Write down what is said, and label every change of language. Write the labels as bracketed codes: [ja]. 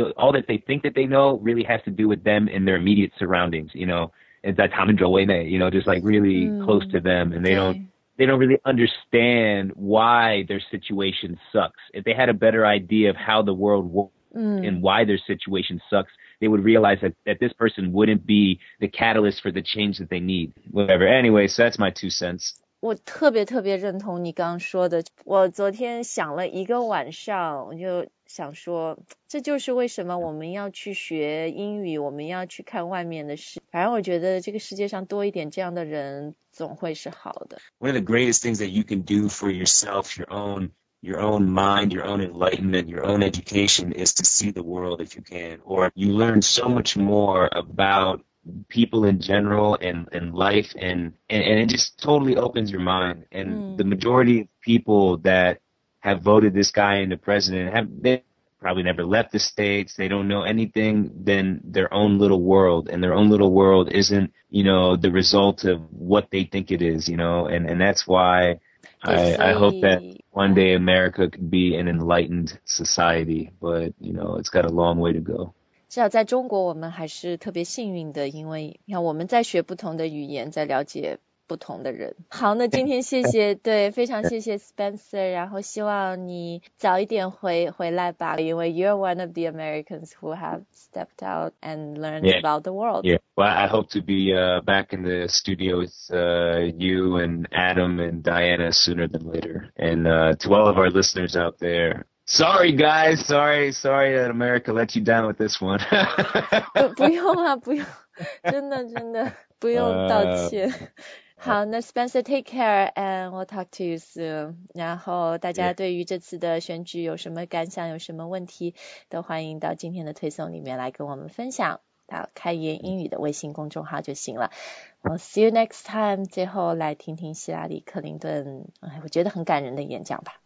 [en] All that they think that they know really has to do with them and their immediate surroundings, you know, and that Tom and Joe, you know, just like really close to them, and they don't really understand why their situation sucks. If they had a better idea of how the world works and why their situation sucks, they would realize that this person wouldn't be the catalyst for the change that they need. Whatever. Anyway, so that's my two cents. [zh] 我特别特别认同你刚说的，我昨天想了一个晚上，我就想说，这就是为什么我们要去学英语，我们要去看外面的事。反正我觉得这个世界上多一点这样的人总会是好的。 [en] One of the greatest things that you can do for yourself, your own mind, your own enlightenment, your own education is to see the world if you can. Or you learn so much more about people in general and life, and it just totally opens your mind. And the majority of people that have voted this guy into president have they probably never left the States. They don't know anything than their own little world. And their own little world isn't, you know, the result of what they think it is, you know, and that's why I hope that one day America could be an enlightened society, but, you know, it's got a long way to go. [zh] 至少在中国我们还是特别幸运的，因为我们在学不同的语言，在了解不同的人。好，那今天谢谢对，非常谢谢 Spencer, 然后希望你早一点回来吧，因为 [en] you're one of the Americans who have stepped out and learned about the world. Yeah, well, I hope to be back in the studio with you and Adam and Diana sooner than later. And to all of our listeners out there, sorry guys, sorry that America let you down with this one. [zh] 不用啊，真的不用道歉。好，那 [en] Spencer, take care, and we'll talk to you soon. [zh] 然后大家对于这次的选举有什么感想，有什么问题，都欢迎到今天的推送里面来跟我们分享，到开言英语的微信公众号就行了。 [en] We'll see you next time. [zh] 最后来听听希拉里·克林顿，我觉得很感人的演讲吧。